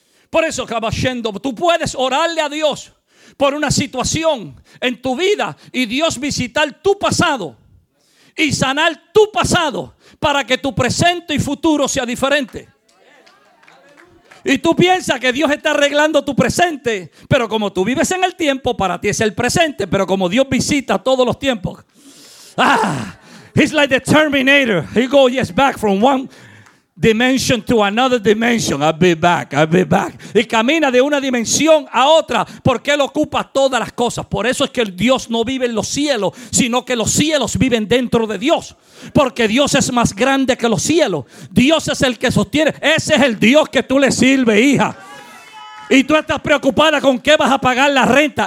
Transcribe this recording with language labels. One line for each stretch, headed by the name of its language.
Spanish: Por eso, Cabachendo, tú puedes orarle a Dios por una situación en tu vida y Dios visitar tu pasado y sanar tu pasado para que tu presente y futuro sea diferente. Y tú piensas que Dios está arreglando tu presente, pero como tú vives en el tiempo, para ti es el presente, pero como Dios visita todos los tiempos.
English: Ah, he's like the Terminator. He goes back from one dimension to another dimension. I'll be back, I'll be back.
Spanish: Y camina de una dimensión a otra porque Él ocupa todas las cosas. Por eso es que Dios no vive en los cielos, sino que los cielos viven dentro de Dios. Porque Dios es más grande que los cielos. Dios es el que sostiene. Ese es el Dios que tú le sirves, hija. Y tú estás preocupada con qué vas a pagar la renta.